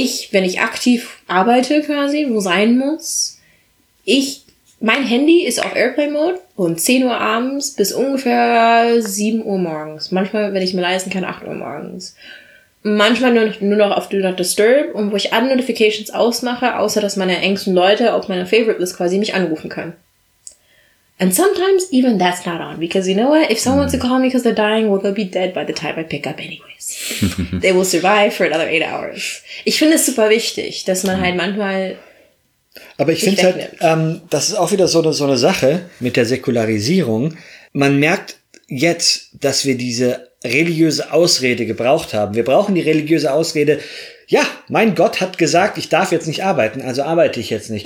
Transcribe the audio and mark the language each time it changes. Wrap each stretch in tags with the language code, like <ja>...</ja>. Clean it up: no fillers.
<de>Wenn ich aktiv arbeite quasi, wo sein muss, mein Handy ist auf Airplane-Mode von 10 Uhr abends bis ungefähr 7 Uhr morgens. Manchmal, wenn ich mir leisten kann, 8 Uhr morgens. Manchmal nur noch auf Do Not Disturb und wo ich alle Notifications ausmache, außer dass meine engsten Leute auf meiner Favorite-List quasi mich anrufen können.</de> <en>And sometimes even that's not on, because you know what? If someone wants to call me because they're dying, well, they'll be dead by the time I pick up anyways. They will survive for another 8 hours.</en> <de>Ich finde es super wichtig, dass man halt manchmal... Aber ich finde halt, das ist auch wieder so eine Sache mit der Säkularisierung. Man merkt jetzt, dass wir diese religiöse Ausrede gebraucht haben. Wir brauchen die religiöse Ausrede. Ja, mein Gott hat gesagt, ich darf jetzt nicht arbeiten, also arbeite ich jetzt nicht.</de>